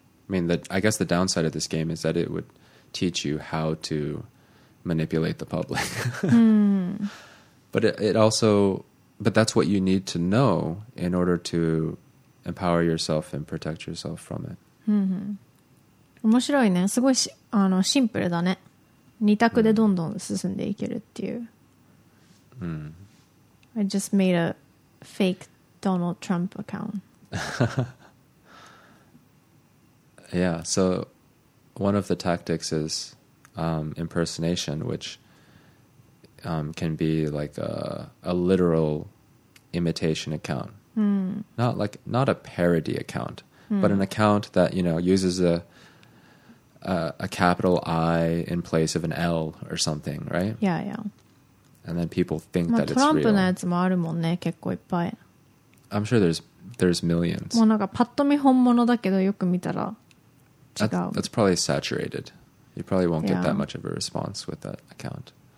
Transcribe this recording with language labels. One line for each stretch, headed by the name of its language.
English: I mean, I guess the downside of this game is that it would teach you how to manipulate the public. But that's what you need to know in order to empower yourself and protect yourself from it.
Japanese: 面白いね。すごいシンプルだね。二択でどんどん進んでいけるっていう。
English: I just made a fake Donald Trump account. Yeah, so one of the tactics is impersonation, which can be like a literal imitation account. Mm. Not like, not a parody account, but an account that, you know, uses a capital I in place of an L or something, right? Yeah, yeah. And then people think that it's real.
Japanese: トランプのやつもあるもんね、結構いっぱい。
English: I'm sure there's millions.
Japanese: もうなんかパッと見本物だけどよく見たら違う。
English: That's probably saturated. You probably won't get that much of a response with that account.